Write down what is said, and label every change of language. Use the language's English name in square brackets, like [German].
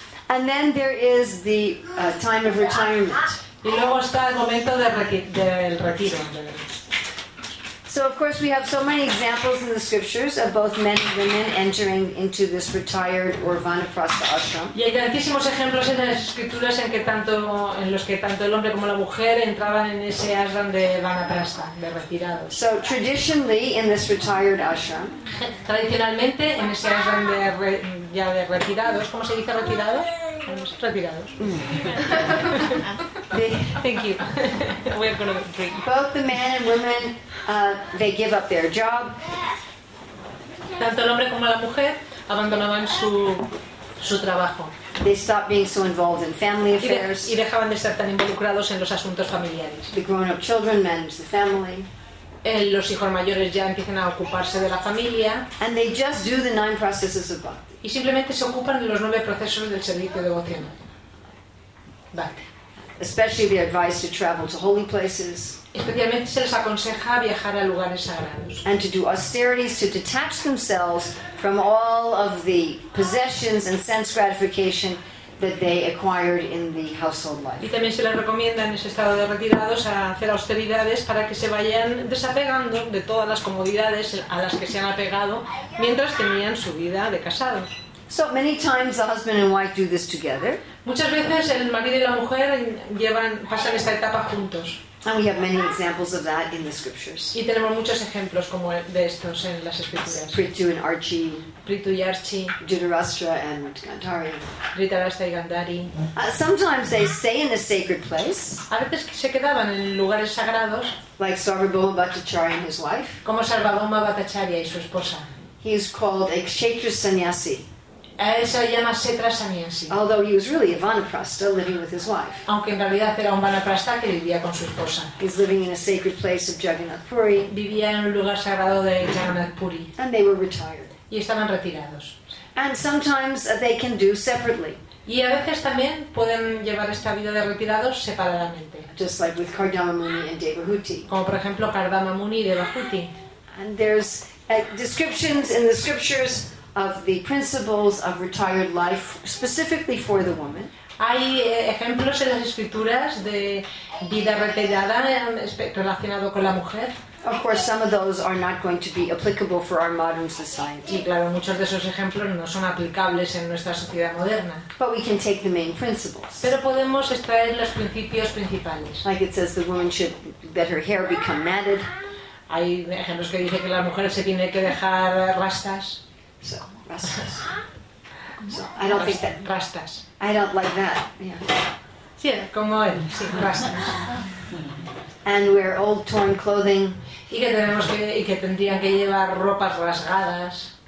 [English] And then there is the time of retirement. [Spanish] Y luego está el momento del retiro. [English] So of course we have so many examples in the scriptures of both men and women entering into this retired or vanaprastha ashram. [Spanish] Y hay tantísimos ejemplos en las escrituras en los que tanto el hombre como la mujer entraban en ese ashram de vanaprastha, de retirado. [English] So traditionally in this retired ashram. [Spanish] Tradicionalmente en ese ashram de retirados, ¿cómo se dice retirado? Retirados. [English] Thank you. We're going to drink. Both the man and women, they give up their job. [Spanish] Tanto el hombre como la mujer abandonaban su trabajo. [English] They stop being so involved in family affairs. [Spanish] Y dejaban de estar tan involucrados en los asuntos familiares. [English] The grown-up children manage the family. [Spanish] Los hijos mayores ya empiezan a ocuparse de la familia. [English] And they just do the nine processes of bhakti. [Spanish] Y simplemente se ocupan de los nueve procesos del servicio devocional. Bhakti. [English] Especially the advice to travel to holy places. [Spanish] Especialmente se les aconseja viajar a lugares sagrados. [English] And to do austerities to detach themselves from all of the possessions and sense gratification that they acquired in the household life. [Spanish] Y también se les recomienda en ese estado de retirados a hacer austeridades para que se vayan desapegando de todas las comodidades a las que se han apegado mientras tenían su vida de casados. [English] So many times the husband and wife do this together. [Spanish] Muchas veces el marido y la mujer pasan esta etapa juntos. [English] And we have many examples of that in the scriptures. [Spanish] Y tenemos muchos ejemplos como de estos en las escrituras. [English] Prithu and Archie. [Spanish] Prithu y Archie. [English] Dhritarashtra and Gandhari. [Spanish] Dhritarashtra y Gandhari. [English] Sometimes they stay in a sacred place. [Spanish] A veces se quedaban en lugares sagrados. [English] Like Sarvabhauma Bhattacharya and his wife. [Spanish] Como Sarvabhauma Bhattacharya y su esposa. [English] He is called a Kshetra Sannyasi. [Spanish] Se llama Setra Saniensi. [English] Although he was really a Vanaprastha living with his wife. [Spanish] Aunque en realidad era un Vanaprastha que vivía con su esposa. [English] He's living in a sacred place of Jagannath Puri. [Spanish] Vivía en un lugar sagrado de Jagannath Puri. [English] And they were retired. [Spanish] Y estaban retirados. [English] And sometimes they can do separately. [Spanish] Y a veces también pueden llevar esta vida de retirados separadamente. [English] Just like with Kardama Muni and Devahuti. [Spanish] Como por ejemplo Kardama Muni y Devahuti. [English] And there's descriptions in the scriptures of the principles of retired life specifically for the woman. [Spanish] Hay ejemplos en las escrituras de vida retirada relacionado con la mujer. [English] Of course, some of those are not going to be applicable for our modern society. [Spanish] Y claro, muchos de esos ejemplos no son aplicables en nuestra sociedad moderna. [English] But we can take the main principles. [Spanish] Pero podemos extraer los principios principales. [English] Like it says, the woman should let her hair become matted. [Spanish] Hay ejemplos que dicen que la mujer se tiene que dejar rastas. [English] So, rastas. So, I don't think that. [Spanish] Rastas. [English] I don't like that. Yeah. [Spanish] Sí, como él. Sí, rastas. [English] And wear old torn clothing. [Spanish] Y que tenemos que y que tendrían que llevar ropas rasgadas.